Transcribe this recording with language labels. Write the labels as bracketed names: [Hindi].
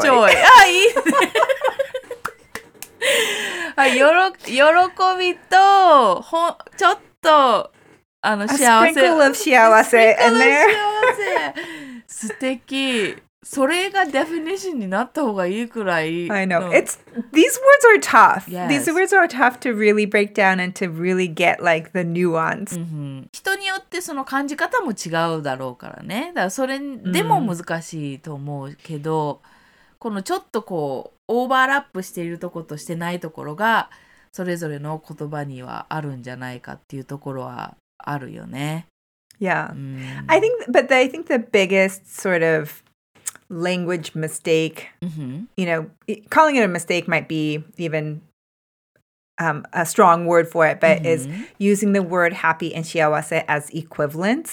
[Japanese] Joy. あ、いいね。喜びとほちょっとあの幸せ。 [English] A sprinkle of 幸せ in there. [Japanese] 素敵。それがデフィニッションになった方がいいくらい。 [English] I know. It's, these words are tough.、Yes. These words are tough to really break down and to really get like the nuance.、 Mm-hmm. [Japanese] 人によってその感じ方も違うだろうからね。だからそれでも難しいと思うけど、mm-hmm. このちょっとこう、オーバーラップしているところとしてないところがそれぞれの言葉にはあるんじゃないかっていうところはあるよね。 [English] Yeah.、うん、I think, but I think the biggest sort of language mistake,、 mm-hmm. you know, calling it a mistake might be even、a strong word for it, but、mm-hmm. is using the word happy and 幸せ as equivalents.